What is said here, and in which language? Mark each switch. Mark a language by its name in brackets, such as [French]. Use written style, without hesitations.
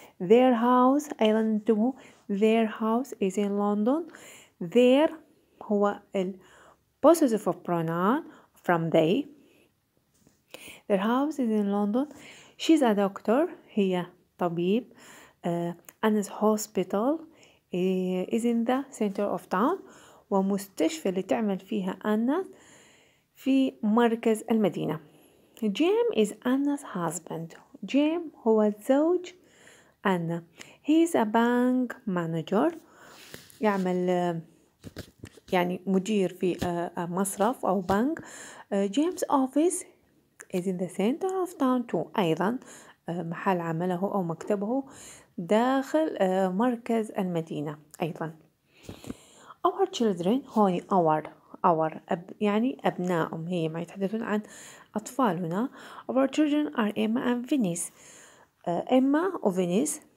[English] their house [Arabic] أيضا انتبهوا [English] their house is in London، their هو ال possessive of pronoun from they. Their house is in London. She's a doctor. [Arabic] هي طبيب. [English] Anna's hospital is in the center of town. [Arabic] ومستشفى اللي تعمل فيها Anna في مركز المدينة. [English] Jim is Anna's husband. Jim [Arabic] هو زوج [English] Anna. He's a bank manager. [Arabic] يعمل يعني مدير في مصرف أو بنك. [English] James office is in the center of town too. [Arabic] أيضا محل عمله أو مكتبه داخل مركز المدينة أيضا. [English] Our children [Arabic] هوني our يعني أبنائهم، هي ما يتحدثون عن أطفالنا. [English] Our children are Emma and Venice. Emma و Venice.